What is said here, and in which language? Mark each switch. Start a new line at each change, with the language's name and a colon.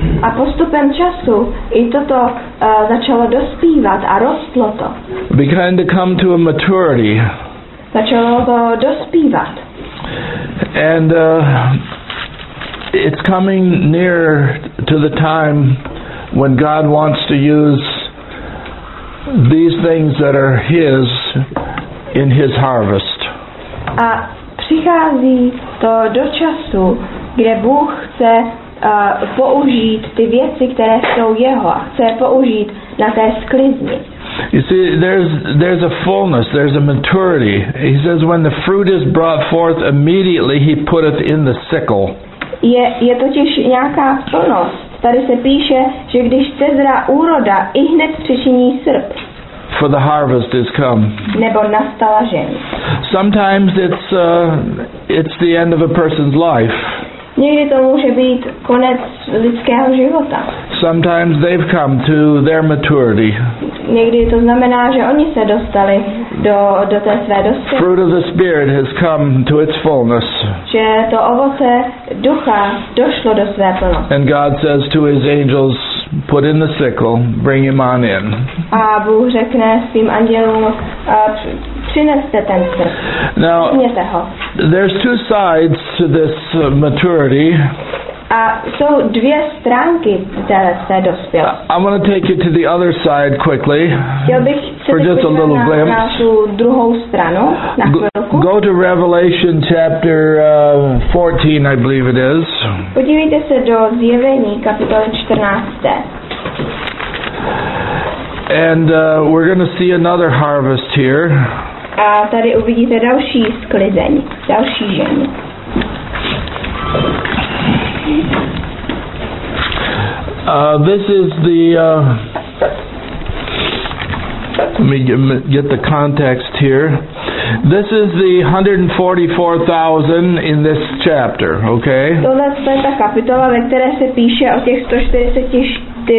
Czech: A postupem času i toto začalo dospívat a rostlo to.
English: Began to come to a maturity.
Czech: Začalo to dospívat.
English: And it's coming near to the time when God wants to use these things that are His in His harvest.
Czech: A přichází to do času, kde Bůh chce použít ty věci, které jsou jeho, a chce je použít na té sklizni.
English: You see, there's a fullness, there's a maturity. He says, when the fruit is brought forth, immediately he putteth in the sickle.
Czech: Je totiž nějaká plnost. Tady se píše, že když sezrá úroda, ihned přičiní srp.
English: For the harvest is come.
Czech: Nebo nastala žeň.
English: Sometimes it's the end of a person's life.
Czech: Někdy to může být konec lidského života.
English: Sometimes they've come to their maturity.
Czech: Někdy to znamená, že oni se dostali do té své dospělosti.
English: Fruit of the Spirit has come to its fullness.
Czech: Že to ovoce ducha došlo do své plnosti.
English: And God says to his angels, put in the sickle, bring him on in.
Czech: A Bůh řekne svým andělům, přineste ten srp.
English: Now, there's two sides to this maturity.
Czech: A jsou dvě stránky té dospělosti.
English: I'm going to take you to the other side quickly. For just a little glimpse.
Czech: Na tu druhou stranu, na chvilku.
English: Go to Revelation chapter 14, I believe it is.
Czech: Podívejte se do Zjevení kapitoly 14.
English: And we're going to see another harvest here.
Czech: A tady uvidíte další sklizeň, další žeň.
English: This is the let me get the context here. This is the 144,000 in this chapter, okay?
Czech: Tohle je ta kapitola, ve které se píše o těch 144,000.